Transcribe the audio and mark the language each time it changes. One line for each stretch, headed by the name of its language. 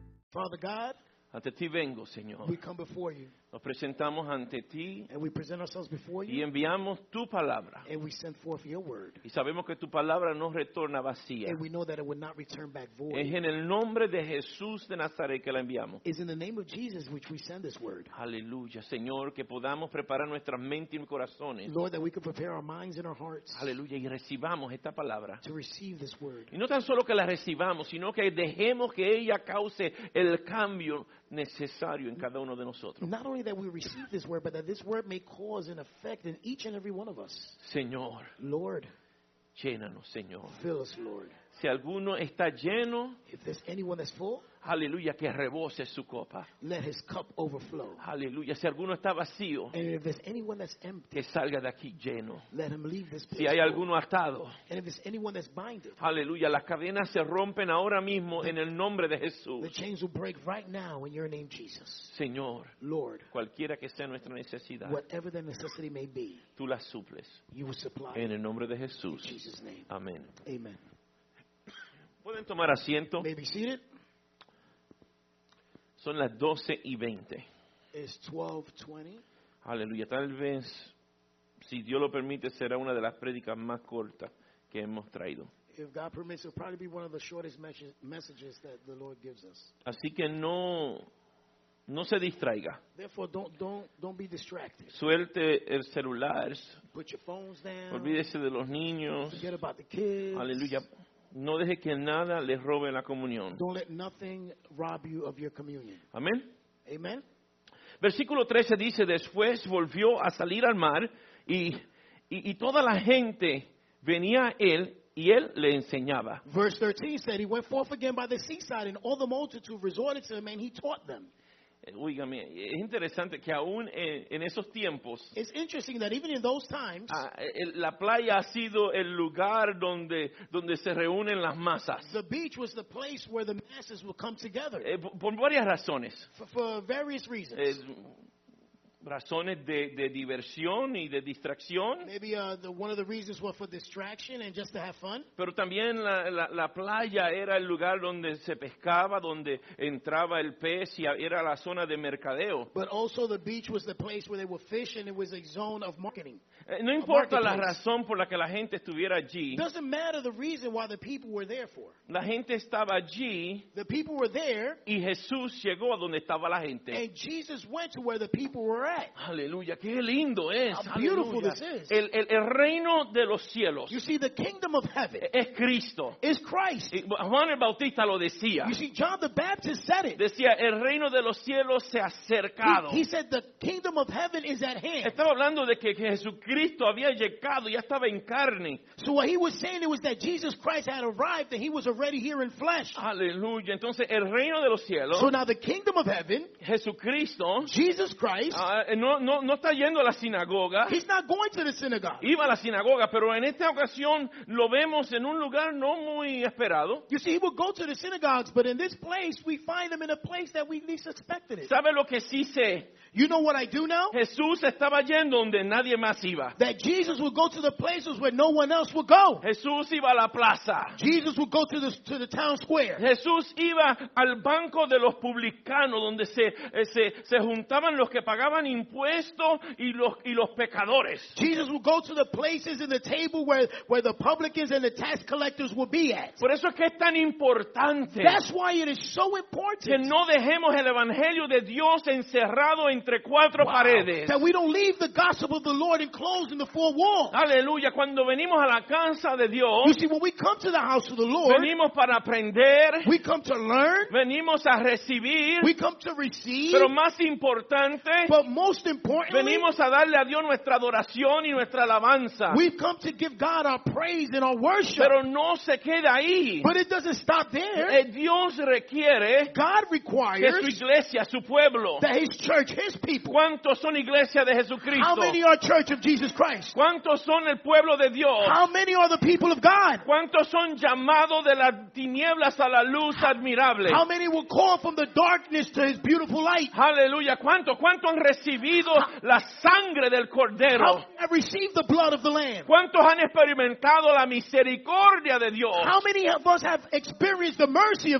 English: Father God,
Spanish: ante ti vengo, Señor.
English: We come before you.
Spanish: Nos presentamos ante ti.
English: And we present ourselves before you.
Spanish: Y enviamos tu palabra.
English: And we send forth your word.
Spanish: Y sabemos que tu palabra no retorna vacía.
English: And we know that it will not return back void.
Spanish: Es en el nombre de Jesús de Nazaret que la enviamos.
English: It's in the name of Jesus which we send this word.
Spanish: Aleluya, Señor, que podamos preparar nuestras mentes y corazones.
English: Lord, that we can prepare our minds and our hearts.
Spanish: Aleluya, y recibamos esta palabra.
English: To receive this word.
Spanish: Y no tan solo que la recibamos, sino que dejemos que ella cause el cambio necesario en cada uno de nosotros.
English: Not only that we receive this word, but that this word may cause an effect in each and every one of us.
Spanish: Señor,
English: Lord,
Spanish: llénanos, Señor.
English: Fill us, Lord.
Spanish: Si alguno está lleno,
English: if there's anyone that's full,
Spanish: aleluya, que rebose su copa.
English: Let his cup overflow.
Spanish: Aleluya, si alguno está vacío,
English: and if there's anyone that's empty,
Spanish: que salga de aquí lleno.
English: Let him leave this place.
Spanish: Si hay alguno atado,
English: and if there's anyone that's binded,
Spanish: aleluya, las cadenas se rompen ahora mismo en el nombre de Jesús.
English: The chains will break right now in your name, Jesus.
Spanish: Señor,
English: Lord,
Spanish: cualquiera que sea nuestra necesidad,
English: whatever the necessity may be,
Spanish: tú la suples.
English: You will supply.
Spanish: En el nombre de Jesús.
English: In Jesus' name.
Spanish: Amén.
English: Amen.
Spanish: Pueden tomar asiento.
English: May be seated.
Spanish: Son las 12:20.
English: It's 12:20.
Spanish: Aleluya. Tal vez, si Dios lo permite, será una de las prédicas más cortas que hemos traído.
English: If God permits, it'll probably be one of the shortest messages that the Lord gives us.
Spanish: Así que no se distraiga.
English: Therefore, don't be distracted.
Spanish: Suelte el celular.
English: Put your phones down.
Spanish: Olvídese de los niños.
English: Forget about the kids.
Spanish: Aleluya. No deje que nada les robe la comunión.
English: Don't let nothing rob you of your communion.
Spanish: Amén.
English: Amen.
Spanish: Versículo 13 dice, después volvió a salir al mar y toda la gente venía a él y él le enseñaba.
English: Verse 13 said, he went forth again by the seaside and all the multitude resorted to him and he taught them.
Spanish: Oígame, es interesante que aún en esos tiempos,
English: it's interesting that even in those times,
Spanish: la playa ha sido el lugar donde se reúnen las masas.
English: The beach was the place where the masses would come together.
Spanish: Por varias razones.
English: For various reasons.
Spanish: Razones de diversión y de distracción.
English: Maybe one of the reasons were for distraction and just to have fun.
Spanish: Pero también la playa era el lugar donde se pescaba, donde entraba el pez y era la zona de mercadeo.
English: But also the beach was the place where they were fish and it was a zone of marketing.
Spanish: No importa la razón por la que la gente estuviera allí.
English: Doesn't matter the reason why the people were there for.
Spanish: La gente estaba allí.
English: The people were there.
Spanish: Y Jesús llegó a donde estaba la gente.
English: And Jesus went to where the people were.
Spanish: Aleluya, qué lindo es.
English: How beautiful this is.
Spanish: El reino de los cielos.
English: You see, the kingdom of heaven
Spanish: es Cristo.
English: Is Christ.
Spanish: Juan el Bautista lo decía.
English: You see, John the Baptist said it.
Spanish: Decía, el reino de los cielos se ha acercado.
English: He said, the kingdom of heaven is at hand.
Spanish: Estaba hablando de que Jesucristo había llegado, ya estaba en carne.
English: So what he was saying it was that Jesus Christ had arrived, that he was already here in flesh.
Spanish: Aleluya, entonces el reino de los cielos.
English: So now the kingdom of heaven.
Spanish: Jesucristo.
English: Jesus Christ.
Spanish: No está yendo a la sinagoga.
English: He's not going to the synagogue.
Spanish: Iba a la sinagoga, pero en esta ocasión lo vemos en un lugar no muy esperado.
English: You see, he would go to the synagogues, but in this place, we find him in a place that we least expected it.
Spanish: ¿Sabe lo que sí sé?
English: You know what I do know?
Spanish: Jesús estaba yendo donde nadie más iba.
English: That Jesus would go to the places where no one else would go.
Spanish: Jesús iba a la plaza.
English: Jesus would go to the town square.
Spanish: Jesús iba al banco de los publicanos donde se juntaban los que pagaban impuestos y los pecadores.
English: Jesus would go to the places in the table where the publicans and the tax collectors would be at.
Spanish: Por eso es que es tan importante.
English: That's why it is so important.
Spanish: Que no dejemos el evangelio de Dios encerrado entre cuatro paredes.
English: That we don't leave the gospel of the Lord enclosed in the four walls.
Spanish: Aleluya, cuando venimos a la casa de Dios,
English: you see, when we come to the house of the Lord,
Spanish: venimos para aprender,
English: we come to learn,
Spanish: venimos a recibir,
English: we come to receive,
Spanish: pero más importante,
English: but more most importantly,
Spanish: venimos a darle a Dios nuestra adoración y nuestra alabanza.
English: We've come to give God our praise and our worship.
Spanish: Pero no se queda ahí.
English: But it doesn't stop there.
Spanish: Dios requiere,
English: God requires,
Spanish: que su iglesia, su pueblo,
English: that his church, his people.
Spanish: ¿Cuántos son iglesia de Jesucristo?
English: How many are church of Jesus Christ?
Spanish: ¿Cuántos son el pueblo de Dios?
English: How many are the people of God?
Spanish: ¿Cuántos son llamados de las tinieblas a la luz admirable?
English: How many will call from the darkness to his beautiful light?
Spanish: Hallelujah. ¿Cuánto han recibido la sangre del Cordero?
English: How have received the blood of the Lamb?
Spanish: ¿Cuántos han experimentado la misericordia de Dios?
English: How many of us have experienced the mercy of